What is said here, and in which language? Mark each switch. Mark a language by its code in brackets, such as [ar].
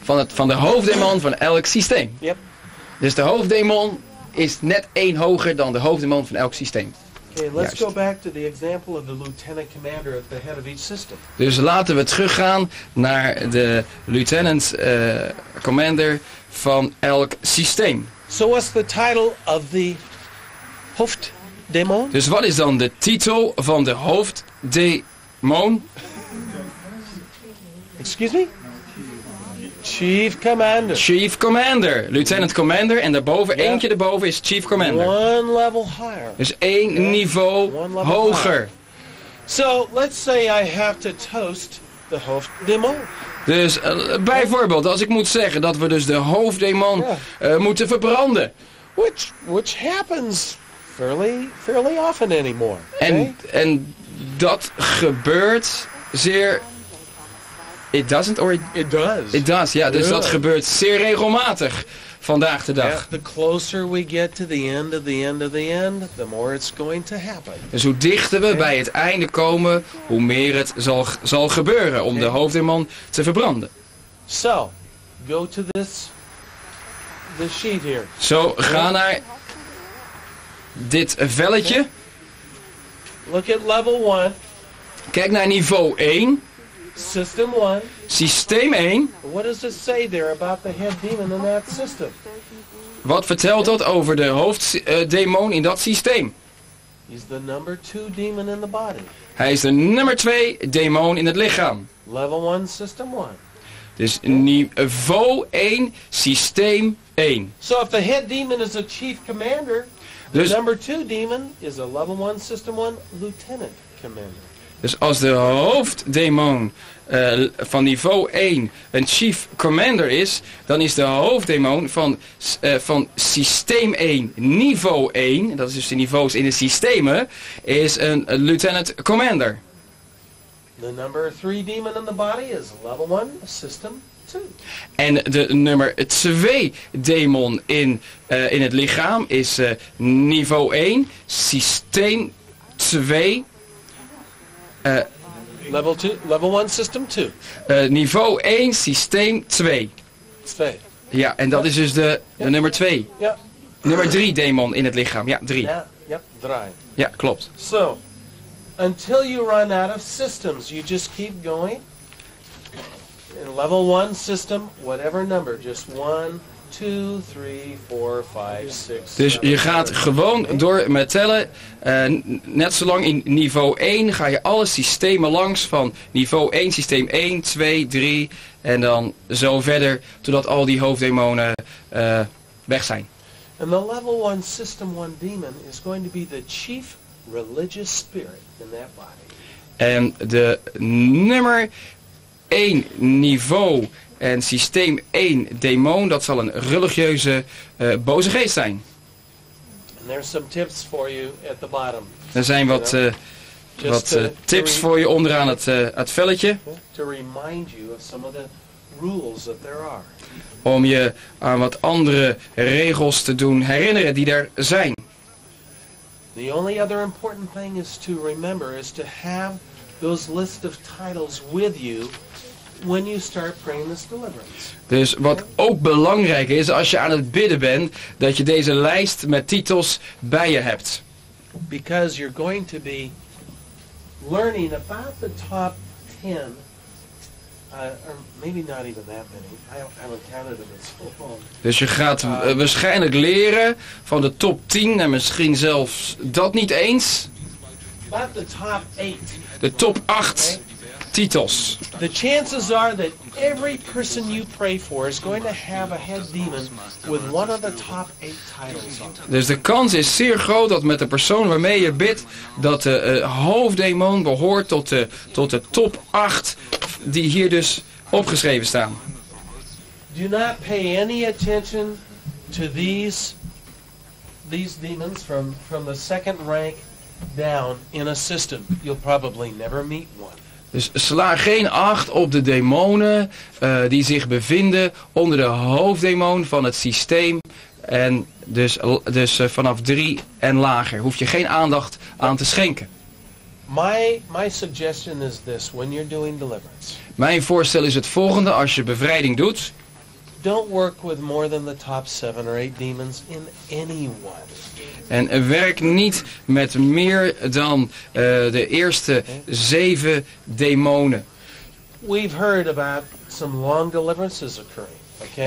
[nl] Van de hoofddemon van elk systeem. [en] Yep. [nl] Dus de hoofddemon is net één hoger dan de hoofddemon van elk systeem. [en] Okay, let's go back to the example of the lieutenant commander at the head of each system. [nl] Dus laten we teruggaan naar de lieutenant commander van elk systeem. [en] So what's the title of the hoofddemon? [nl] Dus wat is dan de titel van de hoofddemon? [en] Excuse me? Chief commander. [nl] Chief commander. Lieutenant commander. En daarboven, yep. Eentje erboven is chief commander. [en] One level higher. [nl] Dus één niveau hoger. [en] So, let's say I have to toast the hoofddemon. [nl] Dus bijvoorbeeld, als ik moet zeggen dat we dus de hoofddemon moeten verbranden. [en] Which happens fairly often anymore. Okay? [nl] En dat gebeurt zeer... [en] It doesn't or it does. It does, ja. [nl] Dus dat gebeurt zeer regelmatig vandaag de dag. [en] The closer we get to the end of the end of the end, the more it's going to happen. [nl] Dus hoe dichter we bij het einde komen, hoe meer het zal gebeuren om de hoofddemon te verbranden. [en] So, go to this sheet here. [nl] Zo, ga naar dit velletje. [en] Look at level 1. [nl] Kijk naar niveau 1. [en] System 1. [nl] Systeem 1. [en] What does it say there about the head demon in that system? [nl] Wat vertelt dat over de hoofddemon in dat systeem? [en] He's the number 2 demon in the body. [nl] Hij is de nummer 2 demon in het lichaam. [en] Level 1, system 1. [nl] Dus niveau 1, systeem 1. [en] So if the head demon is a chief commander, the number 2 demon is a level 1, system 1, lieutenant commander. [nl] Dus als de hoofddemon van niveau 1 een chief commander is, dan is de hoofddemon van systeem 1 niveau 1, dat is dus de niveaus in de systemen, is een lieutenant commander. [en] The number 3 demon in the body is level 1 system 2. [nl] En de nummer 2 demon in het lichaam is niveau 1 systeem 2. [en] Level 2, level 1, system 2. [nl] Niveau 1, systeem 2. 2. Ja, en dat is dus de nummer 2. [en] Yeah. [nl] Nummer 3 demon in het lichaam. Ja, 3. [en] Yeah. [nl] Ja, klopt. [en] So, until you run out of systems, you just keep going. In level 1 system, whatever number, just 1, 2, 3, 4, 5, 6, 7, [nl] dus je gaat gewoon door met tellen. Net zolang in niveau 1 ga je alle systemen langs van niveau 1, systeem 1, 2, 3 en dan zo verder totdat al die hoofddemonen weg zijn. [en] And the level 1 system 1 demon is going to be the chief religious spirit in that body. [nl] En de nummer 1 niveau en systeem 1 demon, dat zal een religieuze boze geest zijn. [en] And there's some tips for you at the bottom. [nl] Er zijn wat tips voor je onderaan het velletje. [en] To remind you of some of the rules that there are. [nl] Om je aan wat andere regels te doen herinneren die er zijn. [en] The only other important thing is to remember is to have those list of titles with you when you start praying this deliverance. [nl] Dus wat ook belangrijk is, als je aan het bidden bent, dat je deze lijst met titels bij je hebt. [en] Because you're going to be learning about the top 10, or maybe not even that many. I haven't counted them in so long. [nl] Dus je gaat waarschijnlijk leren van de top 10 en misschien zelfs dat niet eens. [en] About the top 8. [nl] De top 8 titels. [en] The chances are that every person you pray for is going to have a head demon with one of the top 8 titles. [nl] Dus de kans is zeer groot dat met de persoon waarmee je bidt dat de hoofddemon behoort tot de top 8 die hier dus opgeschreven staan. [en] Do not pay any attention to these demons from the second rank down in a system. You'll probably never meet one. [nl] Dus sla geen acht op de demonen die zich bevinden onder de hoofddemon van het systeem en dus vanaf 3 en lager. Hoef je geen aandacht aan te schenken. [en] My suggestion is this when you're doing deliverance. [nl] Mijn voorstel is het volgende als je bevrijding doet. [en] Don't work with more than the top 7 or 8 demons in anyone. [nl] En werk niet met meer dan de eerste 7 demonen. [en] We've heard about some long deliverances occurring, okay?